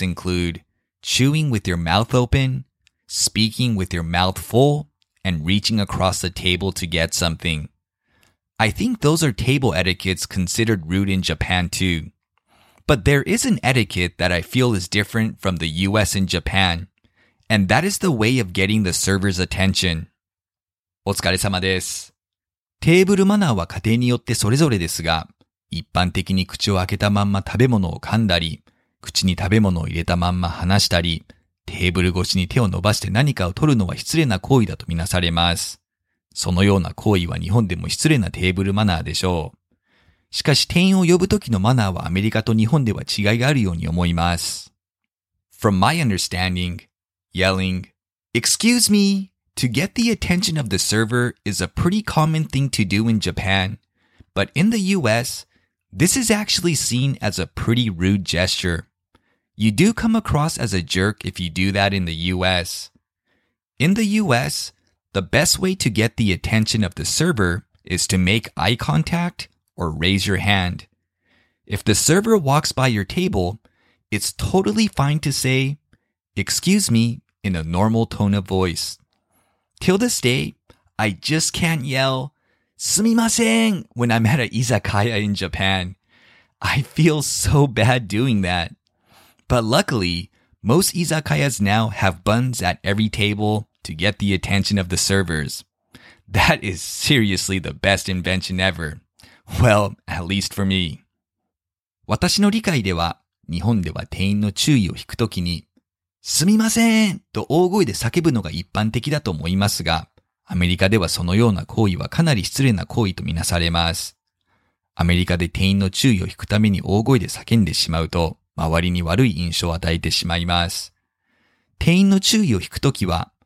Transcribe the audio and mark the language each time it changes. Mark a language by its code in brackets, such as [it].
[en] include chewing with your mouth open, speaking with your mouth full, and reaching across the table to get something. I think those are table etiquettes considered rude in Japan too. But there is an etiquette that I feel is different from the U.S. and Japan, and that is the way of getting the server's attention. [ja] お疲れ様です。テーブルマナーは家庭によってそれぞれですが、一般的に口を開けたまんま食べ物を噛んだり、口に食べ物を入れたまんま話したり、テーブル越しに手を伸ばして何かを取るのは失礼な行為だとみなされます。そのような行為は日本でも失礼なテーブルマナーでしょう。しかし店員を呼ぶ時のマナーはアメリカと日本では違いがあるように思います。 [en] From my understanding, yelling, "Excuse me!" To get the attention of the server is a pretty common thing to do in Japan, but in the US, this is actually seen as a pretty rude gesture. You do come across as a jerk if you do that in the US. In the US, the best way to get the attention of the server is to make eye contact or raise your hand. If the server walks by your table, it's totally fine to say, "Excuse me," in a normal tone of voice. Till this day, I just can't yell, [ja] "Sumimasen!" [en] when I'm at a izakaya in Japan. I feel so bad doing that. But luckily, most izakayas now have buns at every table to get the attention of the servers. That is seriously the best invention ever. Well, at least for me. [ja] 私の理解では、日本では店員の注意を引くときに、すみませんと大声で叫ぶのが一般的だと思いますが、アメリカではそのような行為はかなり失礼な行為とみなされます。アメリカで店員の注意を引くために大声で叫んでしまうと、周りに悪い印象を与えてしまいます。店員の注意を引くときは、